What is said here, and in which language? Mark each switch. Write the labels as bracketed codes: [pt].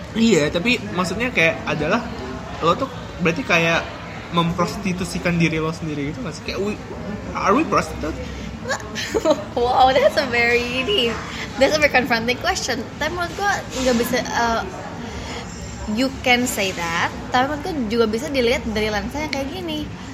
[id] Iya, tapi maksudnya kayak adalah lo tuh berarti kayak memprostitusikan diri lo sendiri gitu nggak sih? Kayak [en] are we prostitutes? Wow, that's a very deep, that's a very confronting question. [id] Tapi menurut gue gak bisa, [en] you can say that. [id] Tapi menurut gue juga bisa dilihat dari lensa yang kayak gini.